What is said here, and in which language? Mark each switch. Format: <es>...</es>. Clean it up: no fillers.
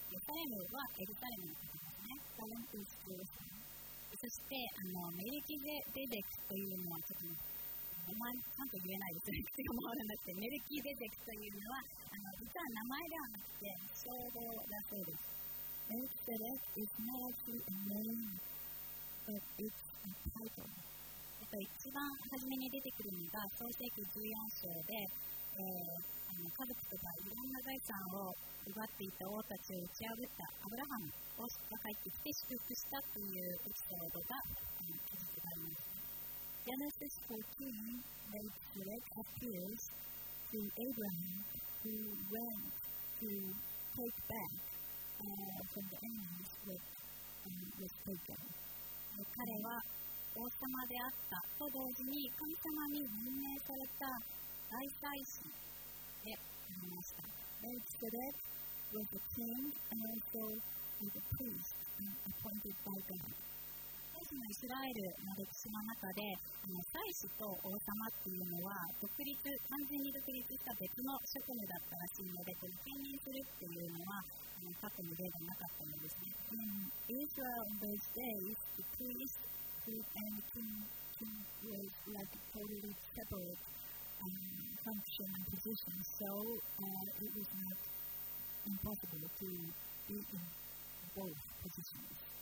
<ja>サレムはエルサレムのことですね。</ja> <en>サレム is Jerusalem。</en> <ja>そしてメルキゼデデクというのはちょっと、ちゃんと言えないですね。というのもあるんですけど、メルキゼデクというのは実は名前ではなくて称号だそうです。</ja> <en>メルキゼデク is not actually a name, but it's a title.</en> <ja>一番初めに出てくるのが創世記14章で、家族とかいろんな財産を奪っていた王たちを打ち破ったアブラハムが入ってきて祝福したというエピソードが記述があります。</ja> <en>Genesis 14, Melchizedek appears to Abraham who went to take back from the enemies which was taken.</en> <ja>彼は王様であったと同時に神様に任命された大祭司でありました。</ja> <en>Melchizedek was a king and also was a priest and appointed by God。</en> <ja>当時のイスラエルの歴史の中で、祭司と王様っていうのは独立、完全に独立した別の職務だったらしいので、これ兼任するっていうのは過去の例ではなかったのですね。</ja> <en>Israel in those days, the priestAnd the king was like totally separate function and position, so it was not impossible to be in both positions.</en>